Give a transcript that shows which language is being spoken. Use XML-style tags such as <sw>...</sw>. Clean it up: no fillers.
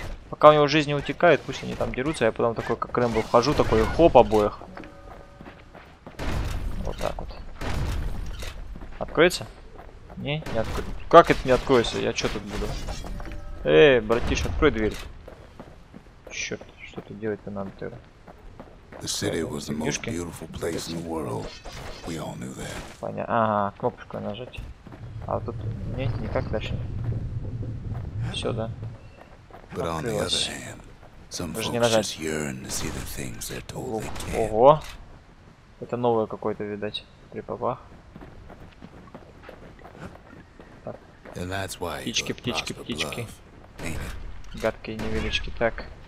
<ru>Пока у него жизни утекает, пусть они там дерутся, я потом такой, как Рэмбо, вхожу, такой хоп обоих. Вот так вот. Откроется? Не, не откроется. Как это не откроется? Я что тут буду? Эй, братиш, открой дверь. Черт. Что-то делать-то надо тогда.</ru> <en>The city was the most beautiful place in the world. We all knew that.</en> <ru>Понятно. Ага, кнопочку нажать. А тут нет, никак дальше. Все, да.</ru> <en>But on the other hand, some folks just yearn to see the things they're told they can.</en> <ru>Ого! Это новое какое-то, видать, при попах. Птички, птички, птички. Гадкие невелички, так.</ru>